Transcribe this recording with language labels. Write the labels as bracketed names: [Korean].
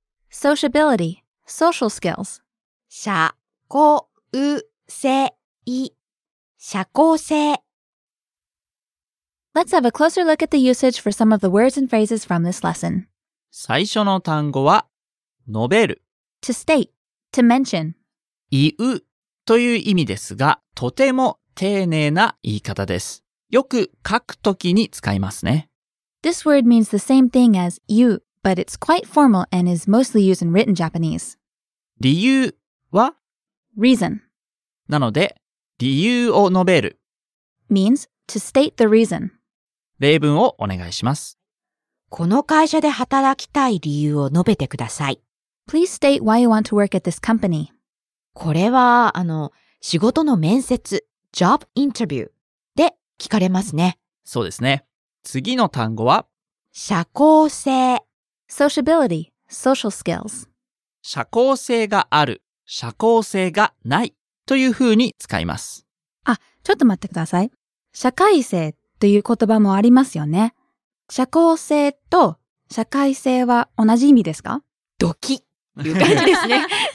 [English] Sociability, social skills [Japanese] 社交性社交性 [English] Let's have a closer look at the usage for some of the words and phrases from this lesson [Japanese] 最初の単語は述べる [English] To state, to mention [Japanese] 言うという意味ですがとても丁寧な言い方です。よく書くときに使いますね。 [English] This word means the same thing as you, but it's quite formal and is mostly used in written Japanese. [Japanese] 理由は? [English] Reason. [Japanese] なので、理由を述べる。 [English] Means to state the reason. [Japanese] 例文をお願いします。この会社で働きたい理由を述べてください。 [English] Please state why you want to work at this company. [Japanese] これは、仕事の面接。 [English] Job interview [Japanese] で聞かれますね。そうですね。次の単語は社交性 [English] Sociability, social skills [Japanese] 社交性がある、社交性がないというふうに使います。あ、ちょっと待ってください。社会性という言葉もありますよね。社交性と社会性は同じ意味ですか? ドキという感じですね。